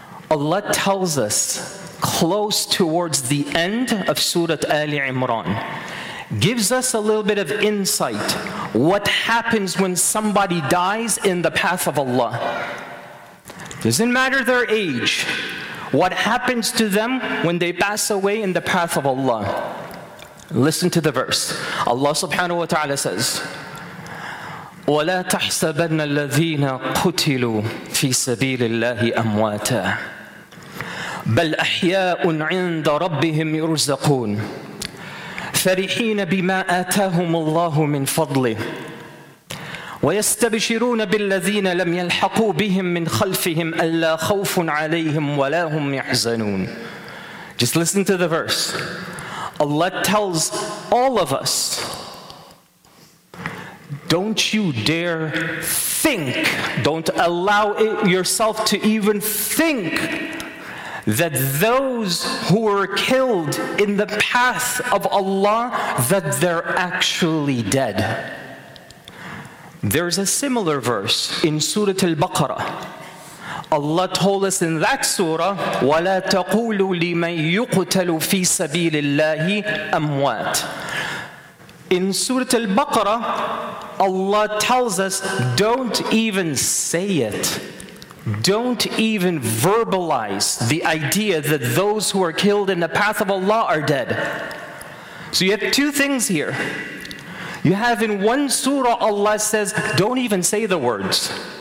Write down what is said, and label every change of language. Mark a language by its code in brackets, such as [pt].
[en] Allah tells us, close towards the end of Surah Ali Imran, gives us a little bit of insight, what happens when somebody dies in the path of Allah. Doesn't matter their age, what happens to them when they pass away in the path of Allah. Listen to the verse. Allah subhanahu wa ta'ala says, [ar] وَلَا تَحْسَبَنَّ الَّذِينَ قُتِلُوا فِي سَبِيلِ اللَّهِ أَمْوَاتًا بَلْ أَحْيَاءٌ عِنْدَ رَبِّهِمْ يُرْزَقُونَ فَرِحِينَ بِمَا آتَاهُمُ اللَّهُ مِنْ فَضْلِهِ وَيَسْتَبْشِرُونَ بِالَّذِينَ لَمْ يَلْحَقُوا بِهِمْ مِنْ خَلْفِهِمْ أَلَّا خَوْفٌ عَلَيْهِمْ وَلَا هُمْ يَحْزَنُونَ. [en] Just listen to the verse. Allah tells all of us, don't you dare think, don't allow yourself to even think that those who were killed in the path of Allah, that they're actually dead. There's a similar verse in Surah Al-Baqarah. Allah told us in that surah, [ar] وَلَا تَقُولُوا لِمَنْ يُقْتَلُ فِي سَبِيلِ اللَّهِ أَمْوَاتٍ. [en] In Surah Al-Baqarah, Allah tells us, don't even say it. Don't even verbalize the idea that those who are killed in the path of Allah are dead. So you have two things here. You have in one surah, Allah says, don't even say the words.